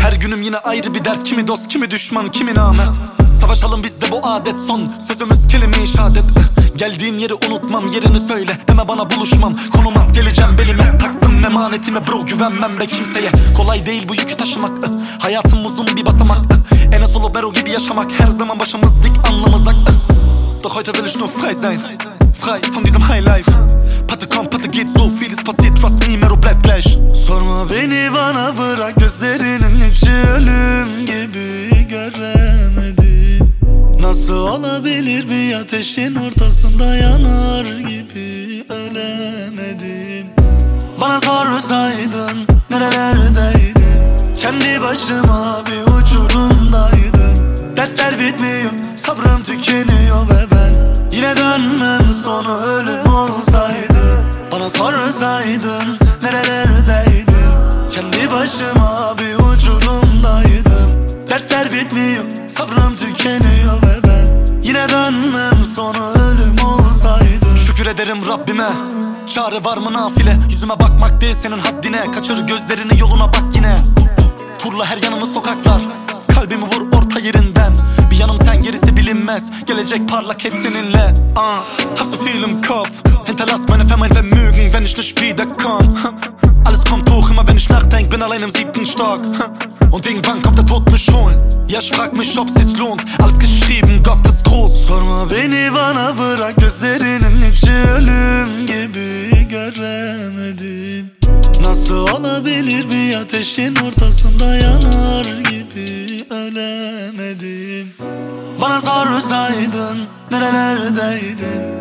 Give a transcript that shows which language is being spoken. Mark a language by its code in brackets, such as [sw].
[tr] Her günüm yine ayrı bir dert, kimi dost kimi düşman kimi namert. Savaşalım bizde bu adet son, sözümüz kelime-i şehadet. Geldiğim yeri unutmam, yerini söyle deme bana buluşmam. Konum at geleceğim belime, taktım emanetime bro, güvenmem be kimseye. Kolay değil bu yükü taşımak, hayatım uzun bir basamak. Enes Olubero gibi yaşamak, her zaman başımız dik anlamazak. [de] Doch heute will ich nur frei sein, frei von diesem high life. Patte komm patte geht, so vieles passiert, [en] trust me [de] mero bleib gleich. [tr] Sorma beni bana bırak, gözlerinin içi ölüm gibi göremedim. Nasıl olabilir bir ateşin ortasında yanar gibi ölemedim. Bana sorsaydın nerelerdeydin? Kendi başıma bir uçurumdaydım. Dertler bitmiyor, sabrım tükeniyor ve ben yine dönmem sonu ölüm olsaydı. Bana sorsaydın nerelerdeydin? Kendi başıma bir uçurumdaydım. Dertler bitmiyor, sabrım tükeniyor ve ben yine dönmem sonu ölüm olsaydı. Şükür ederim Rabbime, çare var mı nafile? Yüzüme bakmak değil senin haddine, kaçır gözlerini yoluna bak yine. Turla her yanını sokaklar, kalbimi vur orta yerinden. Bir yanım sen, gerisi bilinmez, gelecek parlak hep seninle. [de] Hast du viel im Kopf? Hinterlass meine Familie vermögen, wenn ich nicht wiederkomm. Alles kommt hoch, immer wenn ich nachdenk, bin allein im siebten Stock. Und wegen wann kommt der Tod mich holen? Ja, ich frag mich, ob sich's lohnt. Alles geschrieben, Gott ist groß. [tr] Sorma beni bana bırak, gözlerinin içi ölüm gibi göremedim. Nasıl olabilir bir ateşin ortasında yanar gibi ölemedim. Bana sorsaydın nerelerdeydin?